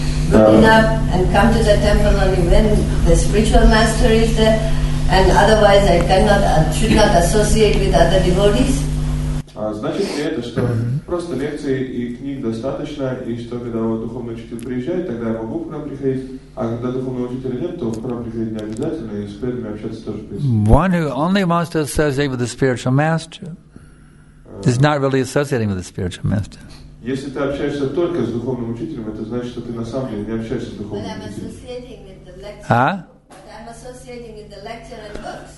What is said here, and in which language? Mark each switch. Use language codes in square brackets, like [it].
[en] Going up and come to the temple only when the spiritual master is there, and otherwise I cannot and should not associate with other devotees? [ru] Значит ли это, что просто лекции и книг достаточно, и что когда вот духовный учитель приезжает, тогда я могу к нам приходить, а когда духовного учителя нет, то к нам приходить не обязательно, и с преданными общаться тоже без. [en] One who only wants to associate with the spiritual master is not really associating with the spiritual master. [ru] Если ты общаешься только с духовным учителем, это значит, что ты на самом деле не общаешься с духовным учителем. [en] I'm associating with the lecture and books.